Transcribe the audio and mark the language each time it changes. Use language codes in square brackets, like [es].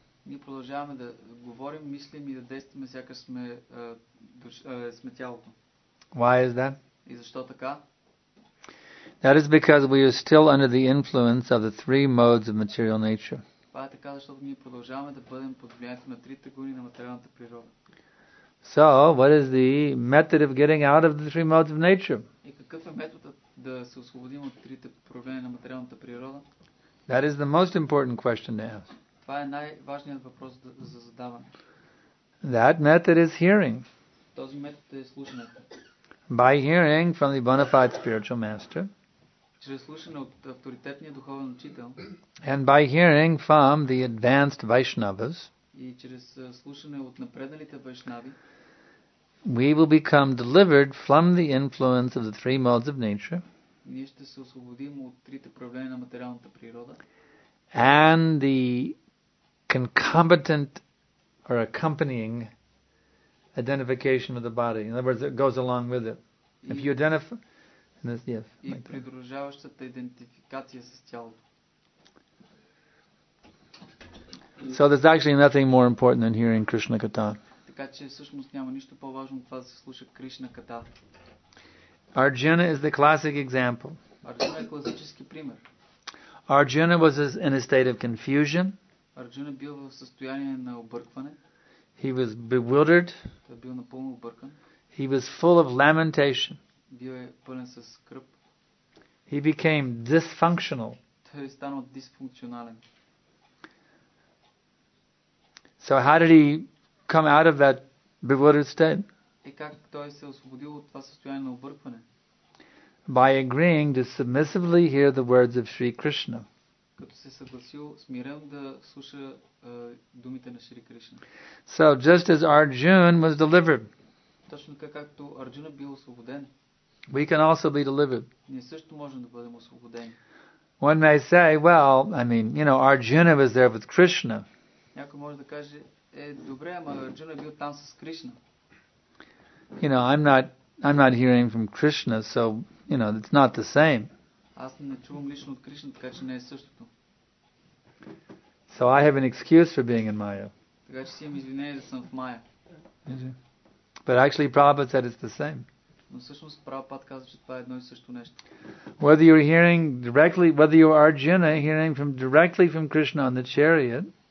[bg] Ние продължаваме да говорим, мислим и да действаме сякаш сме сме тялото. [en] Why is that? [bg] И защо така? [en] That is because we are still under the influence of the three modes of material nature. [bg] Това е така, защото ние продължаваме да бъдем под влиянието на трите гуни на материалната природа. [en] So, what is the method of getting out of the three modes of nature? [bg] И какъв е методът да се освободим от трите проявления на материалната природа? [en] That is the most important question to ask. [bg] Това е най-важният въпрос за задаване. [en] That method is hearing. [bg] Този метод е слушането. [en] By hearing from the bona fide spiritual master. [bg] Чрез слушане от авторитетния духовен учител. [en] And by hearing from the advanced Vaishnavas. [bg] и чрез слушане от напредналите вайшнави, [en] we will become delivered from the influence of the three modes of nature. [bg] Ние ще се освободим от трите проявления на материалната природа. [en] And the concomitant or accompanying identification of the body. In other words, it goes along with it. If you identify this, yes. [bg] И придружаващата идентификация с тялото. [en] So there's actually nothing more important than hearing Krishna Katha. [bg] Така че всъщност няма нищо по-важно от това да се слуша Кришна Катха. [en] Arjuna is the classic example. [bg] Arjuna е класически пример. [en] Arjuna was in a state of confusion. [bg] Arjuna бил в състояние на объркване. [en] He was bewildered. [bg] Той бил напълно объркан. [en] He was full of lamentation. [bg] Бил е пълен с скръб. [en] He became dysfunctional. [bg] Той е станал дисфункционален. [en] So how did he come out of that bewildered state? [bg] И как той се освободил от това състояние на объркване? [en] By agreeing to submissively hear the words of Sri Krishna. [bg] Като се съгласил смирено да слуша думите на Шри Кришна. [en] So just as Arjuna was delivered. [bg] Точно така както Арджуна бил освободен. [en] We can also be delivered. [bg] Ние също можем да бъдем освободени. [en] One may say, well, I mean, you know, Arjuna was there with Krishna. [bg] Някой може да каже, е добре, ама Арджуна бил там с Кришна. [en] You know, I'm not hearing from Krishna, so you know, it's not the same. [bg] Аз не чувам лично от Кришна, така че не е същото. [en] So I have an excuse for being in Maya. [bg] Така че си имам извинение да съм в Maya. [en] But actually Prabhupada said it's the same. [bg] Но всъщност Prabhupada каза, че това е едно и също нещо. [en] Whether you're hearing directly, whether you're Arjuna hearing from directly from Krishna on the chariot.